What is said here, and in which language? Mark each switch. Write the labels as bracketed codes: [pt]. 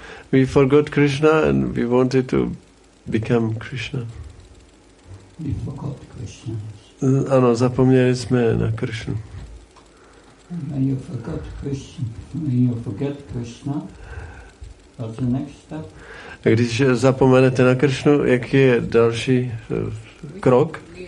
[en] We forgot Krishna and we wanted to become Krishna. We forgot Krishna. [cs] Ano, zapomněli jsme na Krishnu. [en] When you forget Krishna, when you forget Krishna, what's the next step? [cs] A když zapomenete na Krishnu, jaký je další krok?